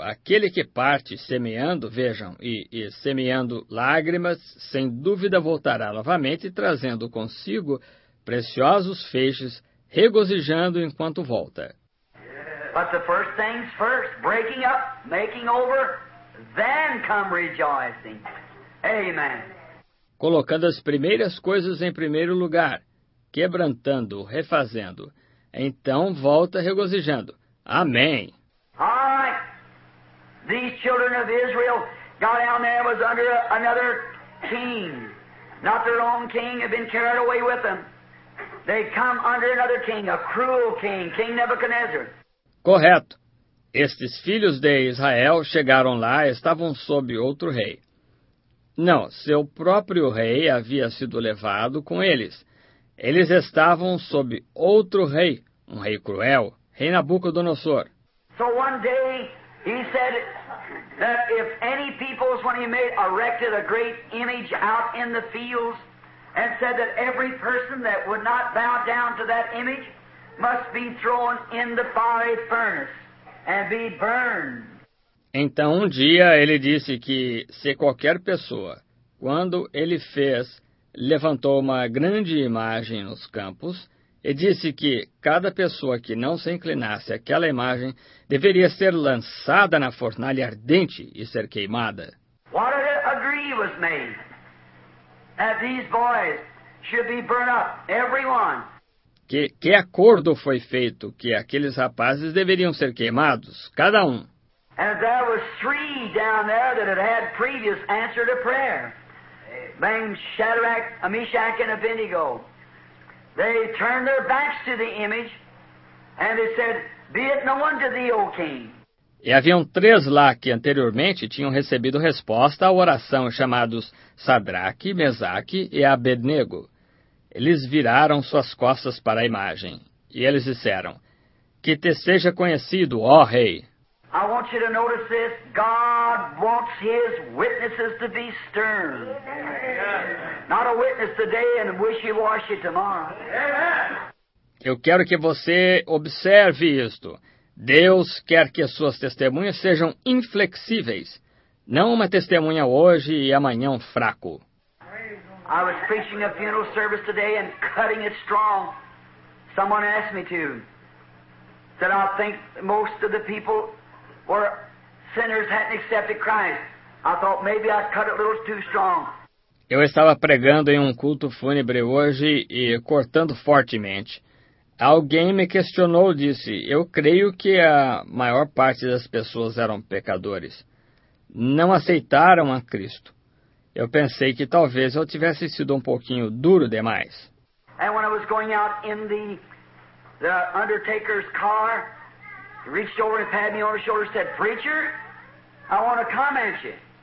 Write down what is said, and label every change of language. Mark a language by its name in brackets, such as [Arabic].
[Portuguese] Aquele que parte semeando, vejam, e semeando lágrimas, sem dúvida voltará novamente, trazendo consigo preciosos feixes, regozijando enquanto volta. [English] But the first things first, breaking up, making over, then come rejoicing. Amen. [Portuguese] Colocando as primeiras coisas em primeiro lugar, quebrantando, refazendo, então volta regozijando. Amém. [English] These children of Israel got down there and was under another king. Not their own king had been carried away with them. They come under another king, a cruel king, King Nebuchadnezzar. [Portuguese] Correto. Estes filhos de Israel chegaram lá e estavam sob outro rei. Não, seu próprio rei havia sido levado com eles. Eles estavam sob outro rei, um rei cruel, rei Nabucodonosor. [English] So one day he said that if any peoples, when he made, erected a great image out in the fields and said that every person that would not bow down to that image must be thrown in the fiery furnace and be burned. [Portuguese] Então, um dia, ele disse que se qualquer pessoa, quando ele fez, levantou uma grande imagem nos campos, e disse que cada pessoa que não se inclinasse àquela imagem deveria ser lançada na fornalha ardente e ser queimada. [English] What an agree was made that these boys should be burned up, everyone. [Portuguese] Que acordo foi feito que aqueles rapazes deveriam ser queimados, cada um. [English] And there were three down there that had had previous answer to prayer, named Shadrach, Meshach, and Abednego. They turned their backs to the image, and they said, be it known to thee, O king. [Portuguese] E haviam três lá que anteriormente tinham recebido resposta à oração, chamados Sadraque, Mesaque e Abednego. Eles viraram suas costas para a imagem, e eles disseram, que te seja conhecido, ó rei. [English] I want you to notice this. God wants his witnesses to be stern. Amen. Not a witness today and wishy-washy tomorrow. Amen. [Portuguese] Eu quero que você observe isto. Deus quer que as suas testemunhas sejam inflexíveis. Não uma testemunha hoje e amanhã um fraco. [English] I was preaching a funeral service today and cutting it strong. Someone asked me to. Said I think most of the people were sinners hadn't accepted Christ. I thought maybe I cut it a little too strong. [Portuguese] Eu estava pregando em um culto fúnebre hoje e cortando fortemente. Alguém me questionou, disse, eu creio que a maior parte das pessoas eram pecadores. não aceitaram a Cristo. Eu pensei que talvez eu tivesse sido um pouquinho duro demais. [English] And when I was going out in the undertaker's car, he reached over and patted me on the shoulder and said, "Preacher, I want to comment you."